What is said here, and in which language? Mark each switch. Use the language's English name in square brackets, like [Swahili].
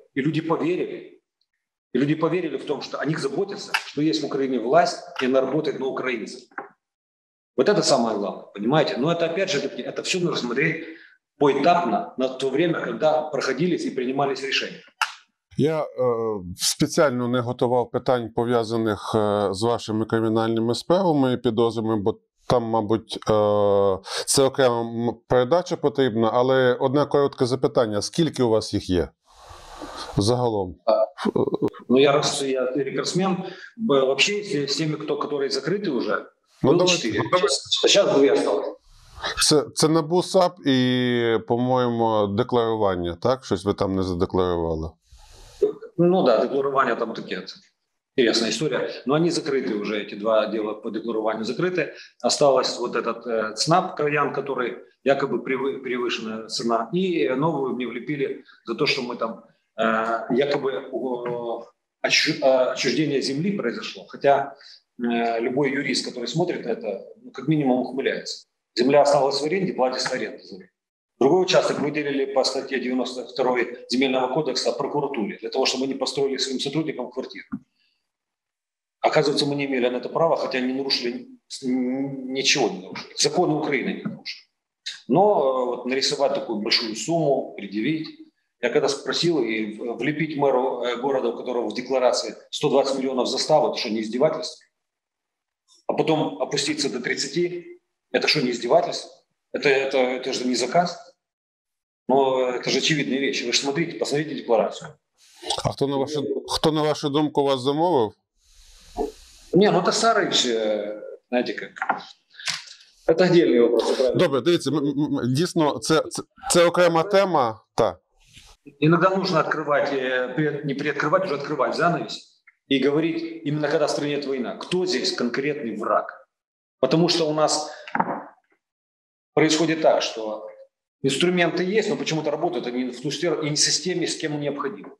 [Russian] И люди поверили. И люди поверили в том, что о них заботятся, что есть в Украине власть, и она работает на украинцев. Вот это самое главное, понимаете? Но это опять же, это все нужно смотреть поэтапно на то время, когда проходились и принимались решения. [Ukrainian] Я спеціально не готував питань, пов'язаних з вашими кримінальними справами і підозрами, бо там, мабуть, це окрема передача потрібна, але одне коротке запитання. Скільки у вас їх є загалом? Ну, я раз, я рекордсмен, взагалі з тими, хто закритий вже, ну, було 4. Зараз 2 осталось. Це НАБУ, САП і, по-моєму, декларування, так? Щось ви там не задекларували. Ну да, декларування там таке. Інтересна історія. Ну, вони закриті вже, ці два діла по декларуванню закриті. Осталось от цей ЦНАП краян, який якоби перевищена ціна. І нову мені вліпили за те, що ми там якоби відчуження землі произошло. Хоча любой юрист, який смотрит на це, ну, як мінімум ухмиляється. Земля осталась в аренді, платить аренду за землю. [Russian] Другой участок выделили по статье 92 земельного кодекса прокуратуре, для того, чтобы они построили своим сотрудникам квартиру. Оказывается, мы не имели на это права, хотя не нарушили, ничего не нарушили. Законы Украины не нарушили. Но вот, нарисовать такую большую сумму, предъявить. Я когда спросил, и влепить мэру города, у которого в декларации 120 миллионов заставы, это что, не издевательство? А потом опуститься до 30, это что, не издевательство? Это же не заказ? Ну, это же очевидные вещи. Вы же смотрите, посмотрите декларацию. [Ukrainian] А кто на вашу думку вас замовил? [Russian] Не, ну это Сарыч, знаете как. Это отдельный вопрос. Правильно? [Ukrainian] Добре, дивіться, дійсно, це окрема тема. Та. [Russian] Иногда нужно открывать, не приоткрывать, уже открывать занавес и говорить, именно когда в стране идет война, кто здесь конкретный враг? Потому что у нас происходит так, что инструменты есть, но почему-то работают они в ту сферу и не в системе, с кем необходимо.